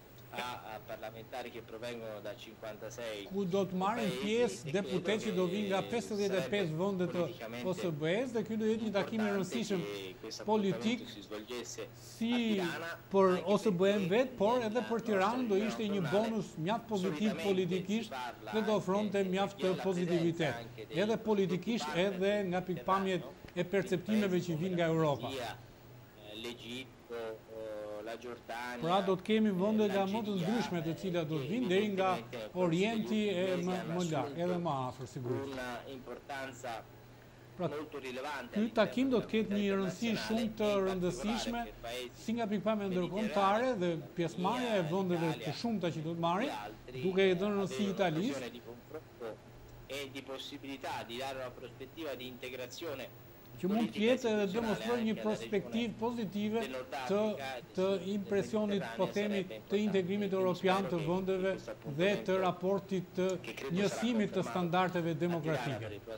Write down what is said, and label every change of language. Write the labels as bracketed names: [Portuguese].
[Italian] A parlamentari che provengono da 56 [Albanian] ku do të marrin pjesë deputetë që do vinë nga 55 vende të OSBE-s dhe ky do jetë një takim i rëndësishëm politik si për OSBE-n vetë, por edhe për Tiranë do ishte një bonus mjaft pozitiv politikisht dhe do ofronte mjaft pozitivitet edhe politikisht edhe nga pikpamjet e perceptimeve që vinë nga Europa. [Italian] L'Egitto, la Jordania. [Albanian] Pra do të kemi vende nga më të ndryshme të cilat do të vinë deri nga Orienti e më lart, edhe më afër sigurisht. [Italian] Una importanza molto rilevante. [Albanian] Ky takim do të ketë një rëndësi shumë të rëndësishme si nga pikpamja ndërkombëtare dhe pjesëmarrja e vendeve të shumta që do të marrin, duke i dhënë rëndësi Italisë [Italian] e di possibilità di dare una prospettiva di integrazione [Albanian] që mund të jetë edhe demonstruar një perspektivë pozitive të impresionit, po themi, të integrimit evropian të vendeve dhe të raportit të njësimit të standardeve demokratike.